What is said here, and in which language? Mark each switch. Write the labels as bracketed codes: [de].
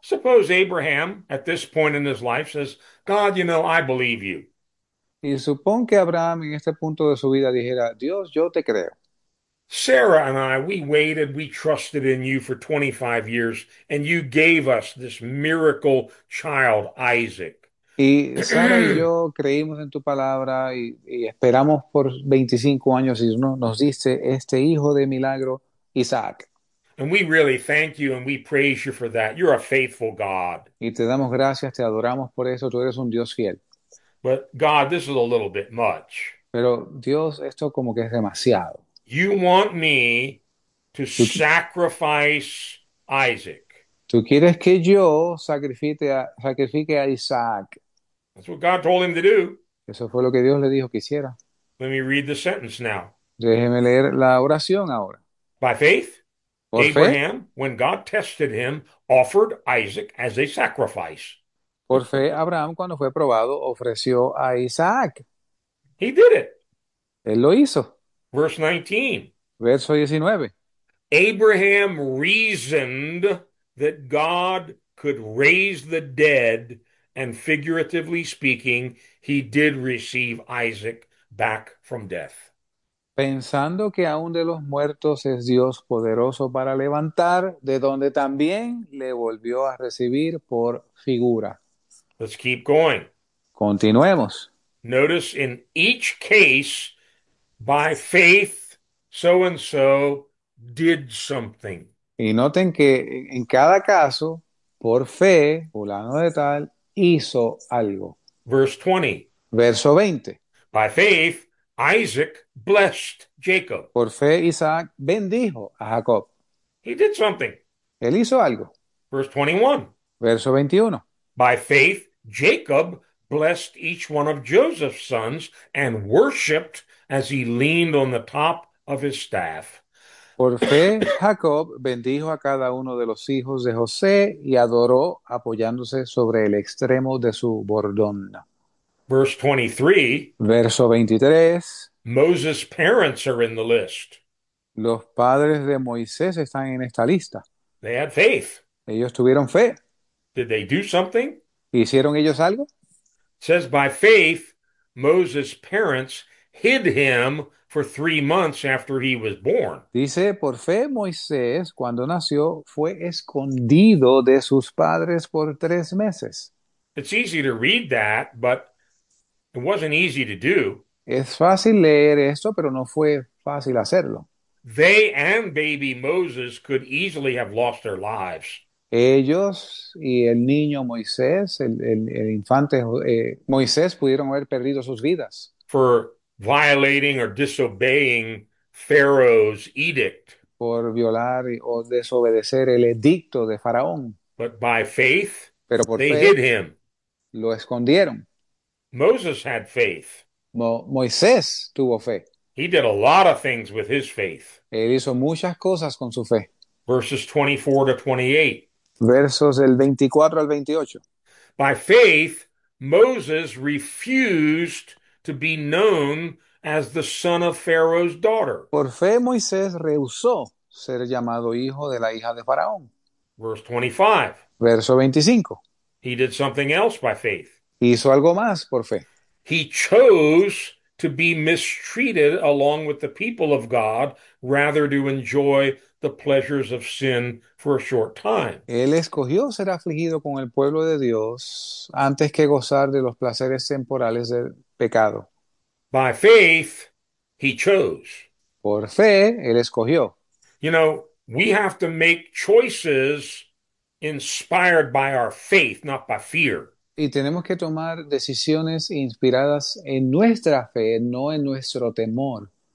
[en] Suppose Abraham, at this point in his life, says, God, you know, I believe you. [es] Y supón que Abraham en este punto de su vida dijera, Dios, yo te creo. [en] Sarah and I, we waited, we trusted in you for 25 years, and you gave us this miracle child, Isaac. [es] Y Sara y yo creímos en tu palabra y esperamos por 25 años y no, nos diste este hijo de milagro, Isaac. [en] And we really thank you and we praise you for that. You're a faithful God. [es] Y te damos gracias, te adoramos por eso, tú eres un Dios fiel. [en] But God, this is a little bit much. [es] Pero Dios, esto como que es demasiado. [en] You want me to [es] ¿Tú [en] sacrifice Isaac. [es] quieres que yo sacrifique a Isaac? [en] That's what God told him to do. [es] Eso fue lo que Dios le dijo que hiciera. [en] Let me read the sentence now. [es] Déjeme leer la oración ahora. [en] By faith. [es] Por fe. [en] Abraham, when God tested him, offered Isaac as a sacrifice. [es] Por fe, Abraham, cuando fue probado, ofreció a Isaac. [en] He did it. [es] Él lo hizo. [en] Verse 19. [es] Verso 19. [en] Abraham reasoned that God could raise the dead, And figuratively speaking, he did receive Isaac back from death. [es] Pensando que aún de los muertos es Dios poderoso para levantar, de donde también le volvió a recibir por figura. [en] Let's keep going. [es] Continuemos. [en] Notice in each case, by faith, so-and-so did something. [es] Y noten que en cada caso, por fe, fulano de tal hizo algo. [en] Verse 20. [es] Verso 20. [en] By faith, Isaac blessed Jacob. [es] Por fe, Isaac bendijo a Jacob. [en] He did something. [es] Él hizo algo. [en] Verse 21. [es] Verso 21. [en] By faith, Jacob blessed each one of Joseph's sons and worshipped as he leaned on the top of his staff. [es] Por fe, Jacob bendijo a cada uno de los hijos de José y adoró apoyándose sobre el extremo de su bordón. [en] Verse 23. [es] Verso 23. [en] Moses' parents are in the list. [es] Los padres de Moisés están en esta lista. [en] They had faith. [es] Ellos tuvieron fe. [en] Did they do something? [es] ¿Hicieron ellos algo? [en] It says, by faith, Moses' parents hid him for 3 months after he was born. [es] Dice, por fe, Moisés, cuando nació, fue escondido de sus padres por 3 meses. [en] It's easy to read that, but it wasn't easy to do. [es] Es fácil leer esto, pero no fue fácil hacerlo. [en] They and baby Moses could easily have lost their lives. [es] Ellos y el niño Moisés, el infante Moisés, pudieron haber perdido sus vidas. [en] For violating or disobeying Pharaoh's edict. [es] Por violar o desobedecer el edicto de Faraón. [en] But by faith, [es] pero por [en] they [es] fe, [en] hid him. [es] lo escondieron. [en] Moses had faith. [es] Moisés tuvo fe. [en] He did a lot of things with his faith. [es] Él hizo muchas cosas con su fe. [en] Verses 24 to 28. [es] Versos del 24 al 28. [en] By faith, Moses refused to be known as the son of Pharaoh's daughter. [es] Por fe, Moisés rehusó ser llamado hijo de la hija de Faraón. [en] Verse 25. [es] Verso 25. [en] He did something else by faith. [es] Hizo algo más por fe. [en] He chose to be mistreated along with the people of God rather to enjoy the pleasures of sin for a short time. [es] Él escogió ser afligido con el pueblo de Dios antes que gozar de los placeres temporales del pecado. [en] By faith, he chose. [es] Por fe, él escogió. [en] You know, we have to make choices inspired by our faith, not by fear. [es] Y tenemos que tomar decisiones inspiradas en nuestra fe, no en nuestro temor.